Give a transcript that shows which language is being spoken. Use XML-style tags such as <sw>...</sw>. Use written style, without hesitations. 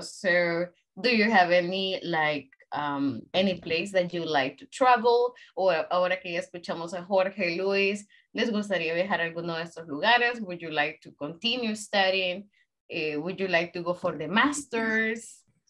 <en>So do you have any like any place that you like to travel?</en> <es>O ahora que ya escuchamos a Jorge, Luis, ¿les gustaría viajar a alguno de estos lugares?</es> <en>Would you like to continue studying? Would you like to go for the master's?</en>